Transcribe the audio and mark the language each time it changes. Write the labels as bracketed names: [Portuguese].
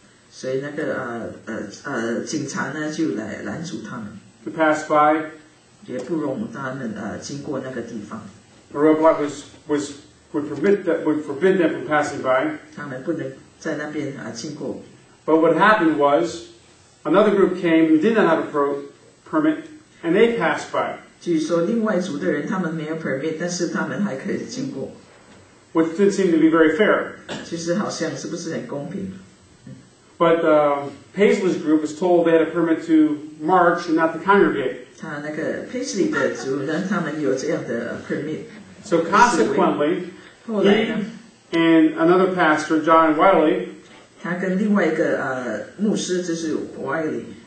[Chinese] 所以那个警察就来拦阻他们。 [English] To pass by. [Chinese] 也不容他们经过那个地方。 [English] The roadblock was would forbid them from passing by. But what happened was, another group came who did not have a permit, and they passed by. [Chinese] 据说另外一组的人他们没有permit, 但是他们还可以经过。 [English] Which did seem to be very fair. [Chinese] 其实好像是不是很公平。 [English] But Paisley's group was told they had a permit to march and not to congregate. [Chinese] 他那个Paisley的组人他们有这样的permit。 [English] So consequently, he and another pastor, John Wiley, [Chinese] 他跟另外一个牧师就是Wiley,